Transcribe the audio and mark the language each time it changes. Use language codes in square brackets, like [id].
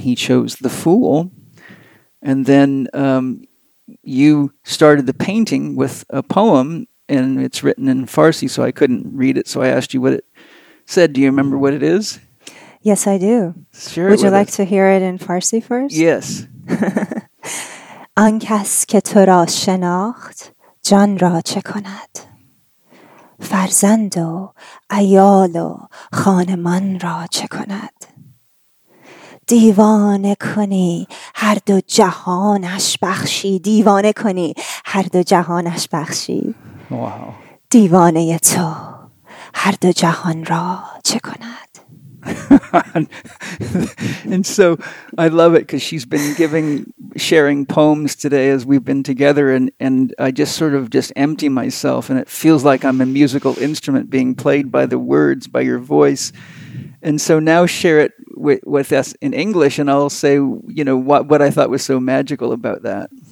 [en] And he chose the Fool. And then you started the painting with a poem, and it's written in Farsi, so I couldn't read it. So I asked you what it said. Do you remember what it is? Yes, I do. Sure. Would you like to hear it in Farsi first? Yes. [fa] آن کس که تو را شناخت جان را چه کند؟ فرزند و عیال و خانمان را چه کند؟ دیوانه کنی هر دو جهانش بخشی دیوانه کنی هر دو جهانش بخشی [en] Wow. [fa] دیوانه تو هر دو جهان را چه کند؟ [en] And so I love it because she's been sharing poems today as we've been together, and I just sort of just empty myself, and it feels like I'm a musical instrument being played by the words, by your voice. And so now share it with us in English, and I'll say, you know, what I thought was so magical about that.